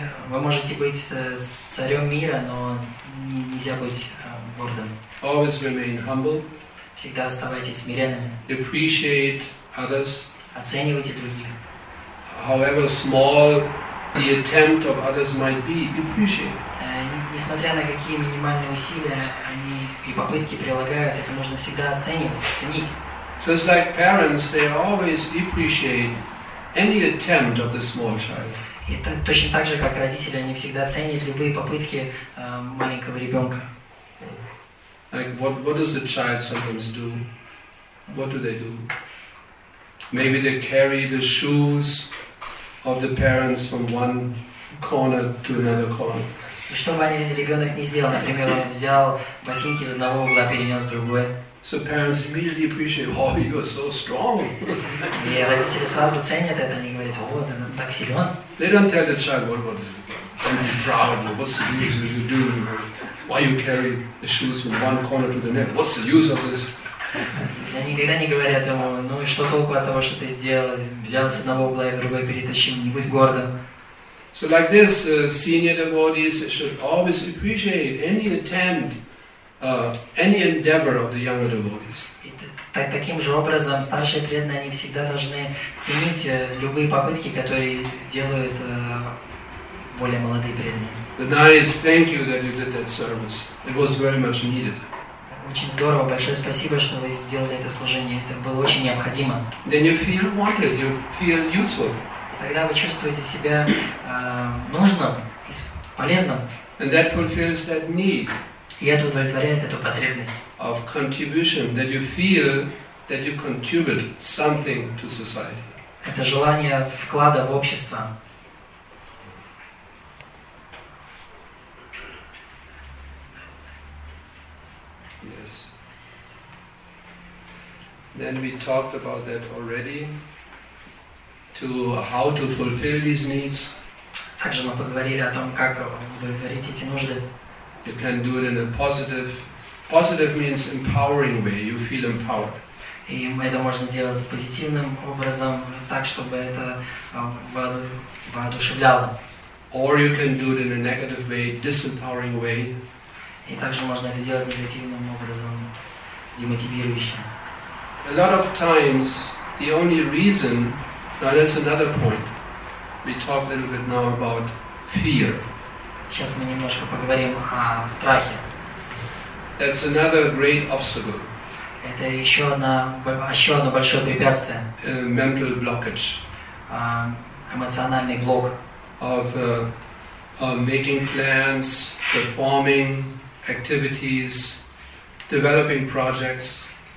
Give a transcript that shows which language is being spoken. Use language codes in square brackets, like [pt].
[ru] Вы можете быть царем мира, но нельзя быть гордым. [en] Always remain humble. [ru] Всегда оставайтесь смиренными. [en] Appreciate others. [ru] Оценивайте других. [en] However small the attempt of others might be, appreciate. [ru] Несмотря на какие минимальные усилия они и попытки прилагают, это нужно всегда оценивать, ценить. [en] Just like parents, they always appreciate any attempt of the small child. [ru] Это точно так же, как родители, они всегда ценят любые попытки маленького ребенка. [en] Like what does a child sometimes do? What do they do? Maybe they carry the shoes of the parents from one corner to another corner. [ru] И что бы ребенок не сделал, например, он взял ботинки из одного угла, перенес в другой. [en] So parents immediately appreciate, oh, you are so strong. [ru] И родители сразу ценят это, они говорят, о, ты так силен. [en] They don't tell the child, what is it? Don't be proud, what's the use of you doing? Why you carry the shoes from one corner to the next? What's the use of this? [ru] Они никогда не говорят ему, ну и что толку от того, что ты сделал, взял с одного угла и другой перетащил, не будь гордым. [en] So like this, senior devotees should always appreciate any attempt, any endeavor of the younger devotees. [ru] Таким же образом, старшие преданные, они всегда должны ценить любые попытки, которые делают более молодые преданные. Очень здорово, большое спасибо, что вы сделали это служение. Это было очень необходимо. [en] Then you feel wanted, you feel useful. [ru] Тогда вы чувствуете себя нужным, полезным. [en] And that fulfills that need. [ru] И это удовлетворяет эту потребность. [en] Of contribution, that you feel that you contribute something to society. [ru] Это желание вклада в общество. [en] Yes. Then we talked about that already. To how to fulfill these needs. [ru] Также мы поговорили о том, как удовлетворить эти нужды. [en] You can do it in a positive. Positive means empowering way. You feel empowered. [ru] И это можно делать позитивным образом, так чтобы это воодушевляло. [en] Or you can do it in a negative way, disempowering way. [ru] И также можно это делать негативным образом, демотивирующим. [en] A lot of times, the only reason. Now that's another point. We talk a little bit now about fear. [ru] Сейчас мы немножко поговорим о страхе. [en] That's another great obstacle. [ru] Это еще одно большое препятствие. [en] Mental blockage. [ru] Эмоциональный блок. [en] Of making plans, performing activities, developing projects.